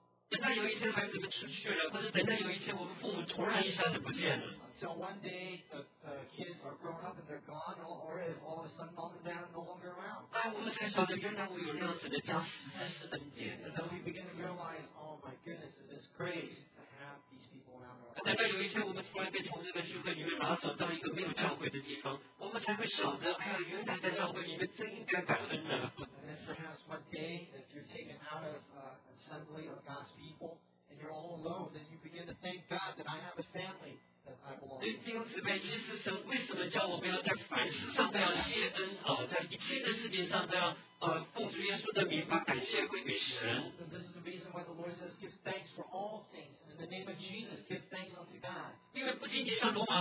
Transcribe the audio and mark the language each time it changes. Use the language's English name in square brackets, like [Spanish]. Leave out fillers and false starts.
[Chinese] 等到有一天孩子们出去了，或者等到有一天我们父母突然一下子不见了。 [English] Until one day the kids are grown up and they're gone, or if all of a sudden mom and dad are no longer around. [Chinese] 我们才晓得原来我有这样子的家实在是恩典。 [English] And then we begin to realize, oh my goodness, it is grace to have these people around our lives. [Chinese] 等到有一天我们突然被从这个聚会里面拿走到一个没有教会的地方，我们才会晓得，哎呀，原来在教会里面真应该感恩呢。 [English] Perhaps one day, if you're taken out of assembly of God's people and you're all alone, then you begin to thank God that I have a family that I belong to. This is the reason why the Lord says, give thanks for all things, and in the name of Jesus, give thanks unto God.